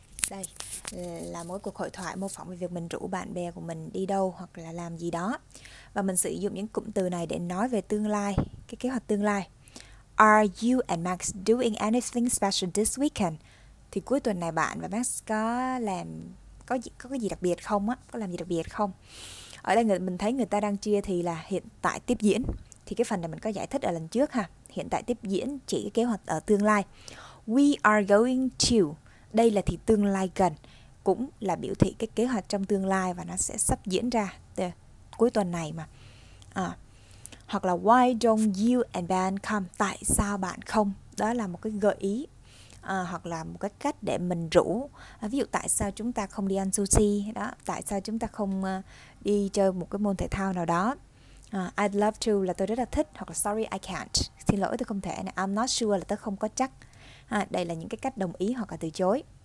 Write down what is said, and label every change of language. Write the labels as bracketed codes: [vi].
[vi] Đây là mỗi cuộc hội thoại mô phỏng về việc mình rủ bạn bè của mình đi đâu hoặc là làm gì đó. Và mình sử dụng những cụm từ này để nói về tương lai, cái kế hoạch tương lai. [en] Are you and Max doing anything special this weekend? [vi] Thì cuối tuần này bạn và Max có cái gì đặc biệt không á? Có làm gì đặc biệt không? Ở đây mình thấy người ta đang chia thì là hiện tại tiếp diễn. Thì cái phần này mình có giải thích ở lần trước ha. Hiện tại tiếp diễn chỉ kế hoạch ở tương lai. [en] We are going to. [vi] Đây là thì tương lai gần. Cũng là biểu thị cái kế hoạch trong tương lai và nó sẽ sắp diễn ra cuối tuần này mà. Hoặc là [en] why don't you and Ben come? [vi] Tại sao bạn không? Đó là một cái gợi ý. Hoặc là một cái cách để mình rủ. Ví dụ tại sao chúng ta không đi ăn sushi đó? Tại sao chúng ta không đi chơi một cái môn thể thao nào đó? [en] I'd love to [vi] là tôi rất là thích. Hoặc là [en] sorry I can't, [vi] xin lỗi tôi không thể. [en] I'm not sure [vi] là tôi không có chắc. Đây là những cái cách đồng ý hoặc là từ chối.